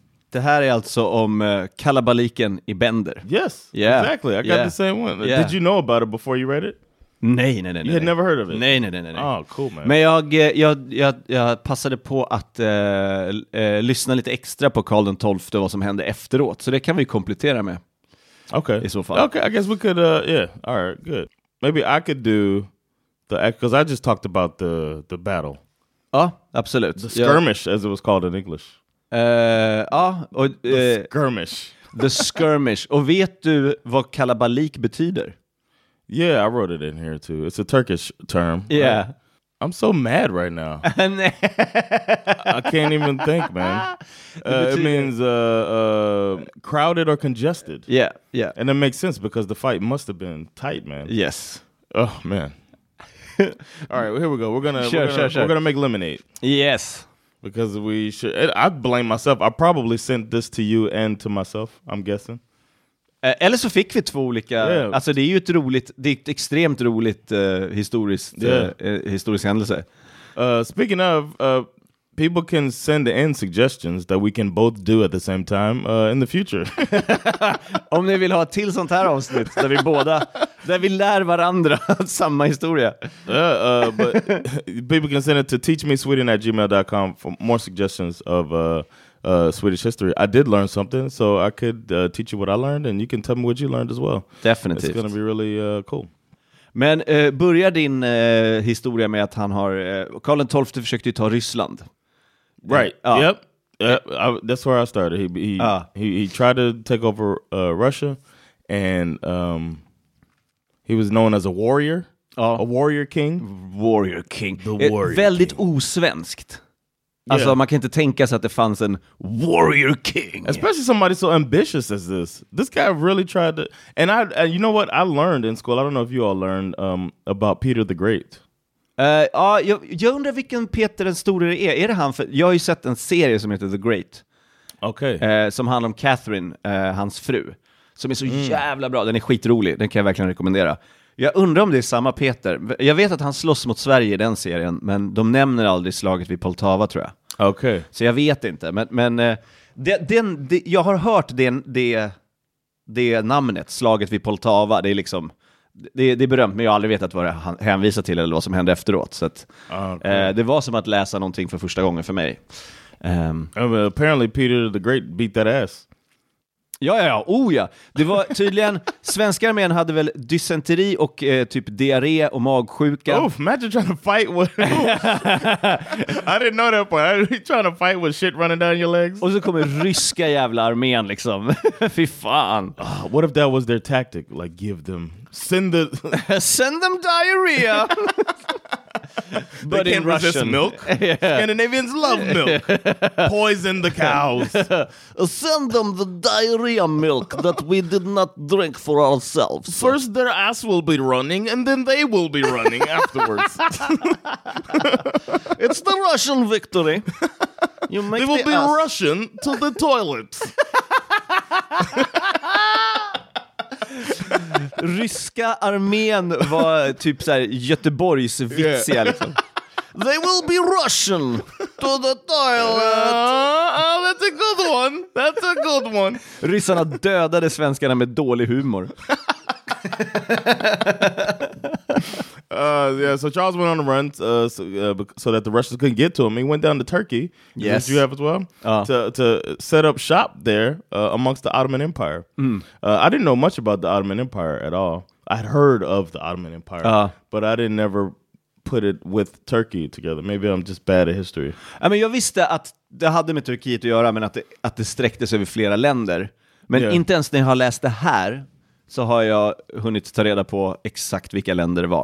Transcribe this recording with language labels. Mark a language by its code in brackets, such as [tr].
[sv] Det här är alltså om kalabaliken i Bender. [en] Yes, yeah, exactly. I got the same one. Yeah. Did you know about it before you read it? [sv] Nej. [en] You had never heard of it? [sv] Nej. [en] Oh, cool, man. [sv] Men jag passade på att lyssna lite extra på Karl den 12:e och vad som hände efteråt. Så det kan vi komplettera med. [en] Okay. [sv] I så fall. [en] Okay, I guess we could, yeah. All right, good. Maybe I could do the, because I just talked about the battle. [sv] Ja, absolut. [en] The skirmish, as it was called in English. The skirmish. The skirmish. [sv] Och vet du vad kalabalik betyder? [en] Yeah, I wrote it in here too. It's a Turkish term. Yeah. I'm so mad right now. I can't even think, man. It means crowded or congested. Yeah, yeah. And it makes sense because the fight must have been tight, man. Yes. Oh, man. All right, well, here we go. We're gonna make lemonade. Yes. Because we should. I blame myself. I probably sent this to you and to myself, I'm guessing. [sv] Eller så fick vi två olika, yeah. Alltså det är ju ett roligt, det är ett extremt roligt historisk händelse. [en] Speaking of, people can send in suggestions that we can both do at the same time in the future. [sv] Om ni vill ha ett till sånt här avsnitt där vi båda, där vi lär varandra samma historia. [en] But people can send it to teachmesweden@gmail.com for more suggestions of... Swedish history. I did learn something, so I could teach you what I learned, and you can tell me what you learned as well. [sv] Definitivt. [en] It's going to be really cool. [sv] Men börjar din historia med att han har... Karl den 12 försökte ju ta Ryssland. [en] Right. Yep. That's where I started. He tried to take over Russia, and he was known as a warrior. A warrior king. Warrior king. The warrior [sv] väldigt osvenskt. Alltså, yeah. Man kan inte tänka sig att det fanns en warrior king. [en] Especially somebody so ambitious as this. This guy really tried to... And I, you know what? I learned in school. I don't know if you all learned about Peter the Great. [sv] Jag undrar vilken Peter den store det är. Är det han? För jag har ju sett en serie som heter The Great. [en] Okay. [sv] Som handlar om Catherine, hans fru. Som är så jävla bra. Den är skitrolig. Den kan jag verkligen rekommendera. Jag undrar om det är samma Peter. Jag vet att han slåss mot Sverige i den serien, men de nämner aldrig slaget vid Poltava, tror jag. Okej. Okay. Så jag vet inte, men jag har hört det namnet, slaget vid Poltava. Det är liksom det är berömt, men jag har aldrig vetat vad det hänvisar till eller vad som hände efteråt, så att, [en] okay. [sv] Det var som att läsa någonting för första gången för mig. [en] Apparently Peter the Great beat that ass. [sv] Ja. Det var tydligen, svenska armén hade väl dysenteri och typ diarré och magsjuka. [en] Oof, imagine trying to fight with... I didn't know that part. Are you trying to fight with shit running down your legs? Och så kommer ryska jävla armén liksom. Fy fan. What if that was their tactic? Like, give them... Send them diarrhea. But they can't resist Russian milk. Yeah. Scandinavians love milk. Poison the cows. Send them the diarrhea milk that we did not drink for ourselves. First their ass will be running, and then they will be running afterwards. It's the Russian victory. You make they will the be ass. Russian to the toilet. [sv] Ryska armén var typ så här Göteborgs vitsiga, yeah. Liksom. [en] They will be Russian to the toilet. Oh, that's a good one. That's a good one. [sv] Ryssarna dödade svenskarna med dålig humor. [en] So Charles went on the run so that the Russians couldn't get to him. He went down to Turkey. Yes, you have as well. To set up shop there amongst the Ottoman Empire. I didn't know much about the Ottoman Empire at all. I'd heard of the Ottoman Empire, but I didn't ever put it with Turkey together. Maybe I'm just bad at history. I mean, [sv] jag visste att det hade med Turkiet att göra, men att det sträcktes över flera länder. Men inte ens när jag har läst det här så har jag hunnit ta reda på exakt vilka länder det var.